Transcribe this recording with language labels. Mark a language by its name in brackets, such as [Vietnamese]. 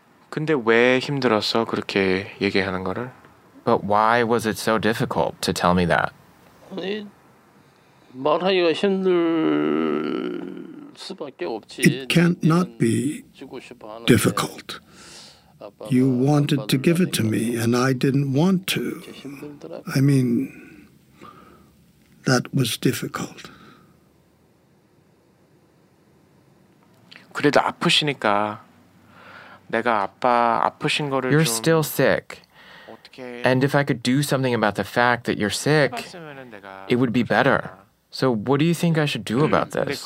[Korean] 근데 왜 힘들었어 그렇게 얘기하는 거를? [English] But why was it so difficult to tell me that? [Korean] 말하기가 힘들 수밖에 없지. [English] It can't not be difficult. You wanted to give it to me, and I didn't want to. I mean, that was difficult. [Korean] 그래도 아프시니까 내가 아빠 아프신 거를 [English] You're still sick. And if I could do something about the fact that you're sick, it would be better. So what do you think I should do about this?